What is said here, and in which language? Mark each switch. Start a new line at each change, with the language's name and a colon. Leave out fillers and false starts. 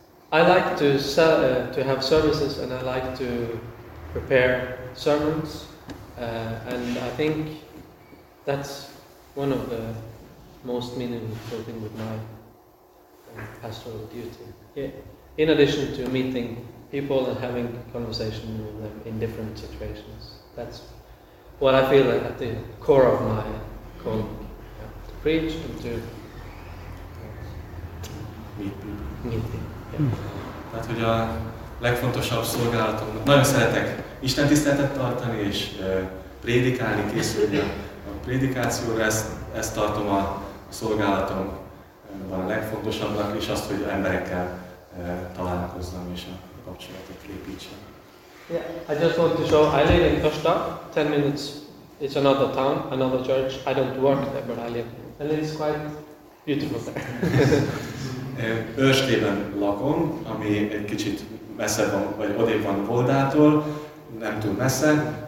English: I like to to have services, and I like to prepare sermons, and I think that's one of the most meaningful things with my pastoral duty. Yeah. In addition to meeting people and having conversation with them in different situations, that's what I feel at the core of my calling, to preach and to meet people. Yeah.
Hungarian: Tehát, hogy a legfontosabb szolgálatomnak nagyon szeretek istentiszteletet tartani és prédikálni, készülni a prédikációra, ezt tartom a szolgálatomban a legfontosabbnak, és azt, hogy emberekkel találkozzam és a kapcsolatot építsem.
English: Yeah. I just want to show, I live in Kosta, 10 minutes, it's another town, another church, I don't work there, but I live there. And it's quite beautiful there.
Hungarian: Őrskében lakom, ami egy kicsit messze van, vagy odébb van Voldától, nem túl messze.